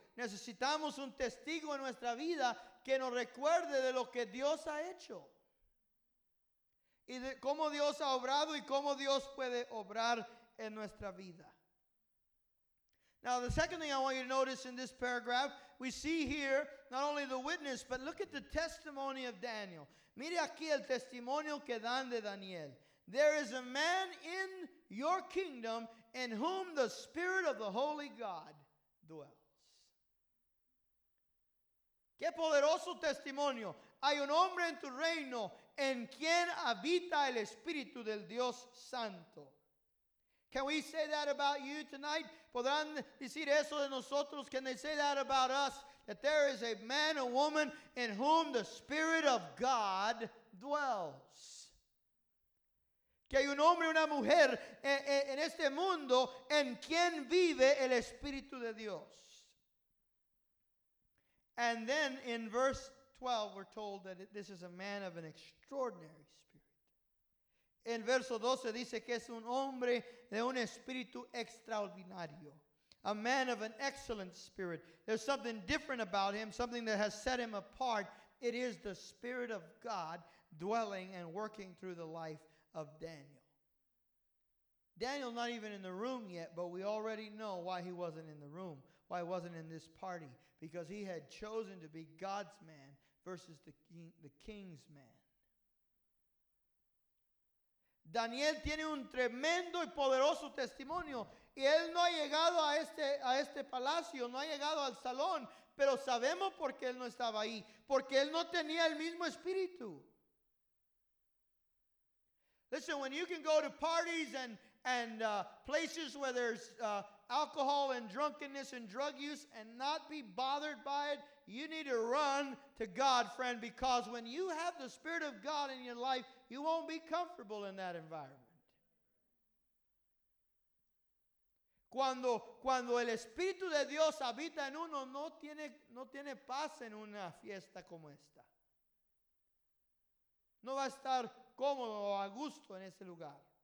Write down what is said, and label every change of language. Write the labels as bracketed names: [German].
[Spanish] Necesitamos un testigo en nuestra vida que nos recuerde de lo que Dios ha hecho. Y de cómo Dios ha obrado y cómo Dios puede obrar en nuestra vida. [English] Now, the second thing I want you to notice in this paragraph, we see here not only the witness, but look at the testimony of Daniel. [Spanish] Mire aquí el testimonio que dan de Daniel. [English] There is a man in your kingdom in whom the Spirit of the Holy God dwells. [Spanish] Qué poderoso testimonio. Hay un hombre en tu reino en quien habita el Espíritu del Dios Santo. [English] Can we say that about you tonight? [Spanish] ¿Podrán decir eso de nosotros? [English] Can they say that about us? That there is a man, a woman, in whom the Spirit of God dwells. [Spanish] Que hay un hombre y una mujer en este mundo en quien vive el Espíritu de Dios. [English] And then in verse 12, we're told that this is a man of an extraordinary spirit. [Spanish] En verso 12 dice que es un hombre de un espíritu extraordinario. [English] A man of an excellent spirit. There's something different about him, something that has set him apart. It is the Spirit of God dwelling and working through the life of Daniel. Daniel not even in the room yet, but we already know why he wasn't in the room, why he wasn't in this party, because he had chosen to be God's man versus the king's man. [Spanish] Daniel tiene un tremendo y poderoso testimonio, y él no ha llegado a este palacio, no ha llegado al salón, pero sabemos por qué él no estaba ahí, porque él no tenía el mismo espíritu. [English] Listen, when you can go to parties and places where there's alcohol and drunkenness and drug use and not be bothered by it, you need to run to God, friend, because when you have the Spirit of God in your life, you won't be comfortable in that environment. [Spanish] Cuando el Espíritu de Dios habita en uno, no tiene paz en una fiesta como esta. No va a estar cómodo o a gusto en ese lugar.